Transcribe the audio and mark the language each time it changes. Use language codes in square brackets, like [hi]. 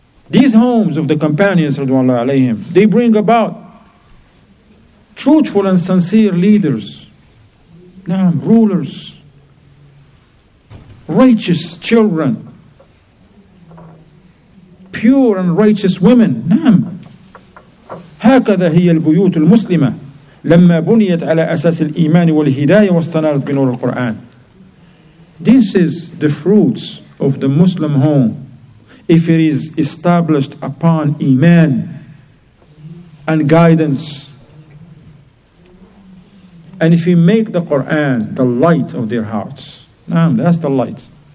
[en] These homes of the companions, radwallahu alayhim, they bring about truthful and sincere leaders. Now, rulers, righteous children, pure and righteous women. [ar] Now, هكذا هي البيوت المسلمة لما بنيت على أساس الإيمان والهداية واستنارت بنور القرآن. [en] This is the fruits of the Muslim home if it is established upon Iman and guidance. And if you make the Qur'an the light of their hearts, that's the light.